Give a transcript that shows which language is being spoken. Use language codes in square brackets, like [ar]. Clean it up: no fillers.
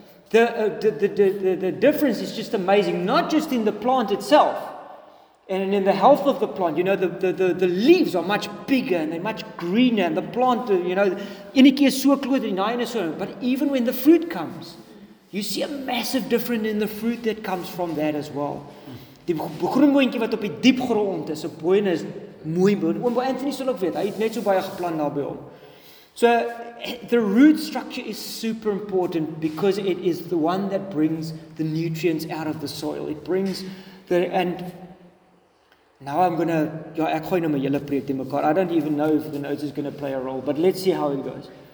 [en] The difference is just amazing, not just in the plant itself, And in the health of the plant, you know, the leaves are much bigger and they're much greener. And the plant, you know, but even when the fruit comes, you see a massive difference in the fruit that comes from that as well. [af] Die groen boontjie wat op die diep grond is, 'n boontjie is mooi boontjie. Oom Anthony sal ook weet, hy het net so baie geplant daar by hom. [en] So, the root structure is super important because it is the one that brings the nutrients out of the soil. It brings the... And now I'm going to... [af] Ja, ek gooi nou my hele preek in mekaar. [en] I don't even know if the notes is going to play a role, but let's see how it goes.